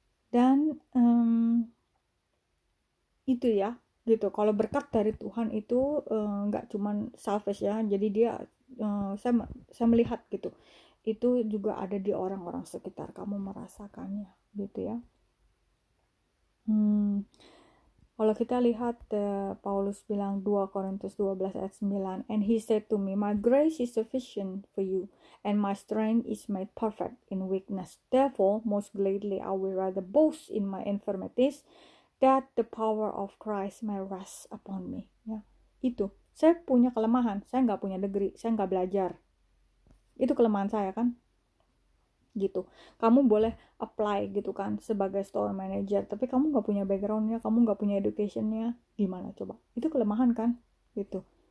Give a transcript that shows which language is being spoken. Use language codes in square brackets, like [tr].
[id] Dan itu ya, gitu. Kalau berkat dari Tuhan itu gak cuman selfish ya. Jadi dia, saya melihat gitu. Itu juga ada di orang-orang sekitar. Kamu merasakannya, gitu ya. Kalau kita lihat Paulus bilang 2 Korintus 12 ayat 9, [en] and he said to me, my grace is sufficient for you, and my strength is made perfect in weakness. Therefore, most gladly I will rather boast in my infirmities, that the power of Christ may rest upon me. [id] Ya, itu, saya punya kelemahan, saya nggak punya degree, saya nggak belajar. Itu kelemahan saya kan? Gitu. Kamu boleh apply gitu kan sebagai store manager, tapi kamu nggak punya backgroundnya, kamu nggak punya educationnya, gimana coba? Itu kelemahan kan? Gitu.